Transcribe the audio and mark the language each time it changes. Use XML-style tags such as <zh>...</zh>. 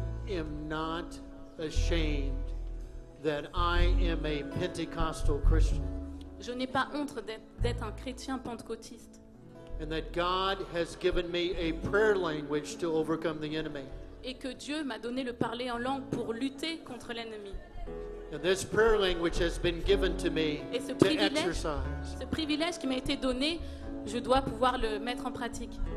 <en>am not ashamed that I am a Pentecostal Christian.</en> <fr>Je n'ai pas honte d'être un chrétien pentecôtiste.</fr> <en>And that God has given me a prayer language to overcome the enemy.</en> <fr>Et que Dieu m'a donné le parler en langue pour lutter contre l'ennemi.</fr> <en>And this prayer language has been given to me to exercise.</en> <fr>Ce privilège qui m'a été donné, je dois pouvoir le mettre en pratique.</fr>